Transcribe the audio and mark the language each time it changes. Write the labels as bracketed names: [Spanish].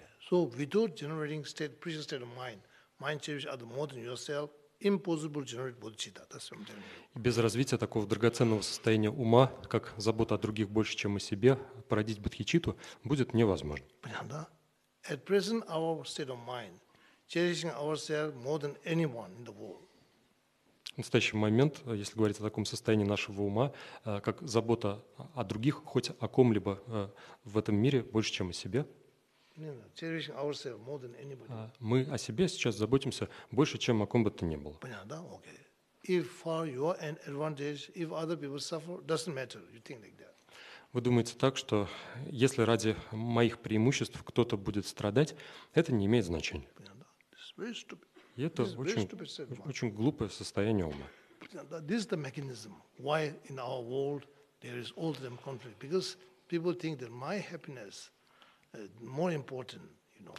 [English] So without generating state, precious state of mind, mind cherishes other more than yourself, impossible to generate bodhicitta. That's what I'm telling you. [Russian] И без развития такого драгоценного состояния ума, как забота о других больше, чем о себе, породить бодхичитту будет невозможно. Понятно? [English] At present, our state of mind, cherishing ourselves more than anyone in the world. [Russian] В настоящий момент, если говорить о таком состоянии нашего ума, как забота о других, хоть о ком-либо в этом мире больше, чем о себе, мы о себе сейчас заботимся больше, чем о ком бы то ни было. Понятно, да? Окей. [English] If for your own advantage, if other people suffer, doesn't matter. You think like that. [Russian] Вы думаете так, что если ради моих преимуществ кто-то будет страдать, это не имеет значения. Понятно, да? И это очень глупое состояние ума. [English] This is the mechanism why in our world there is all them conflict, because people think that my happiness more important, you know.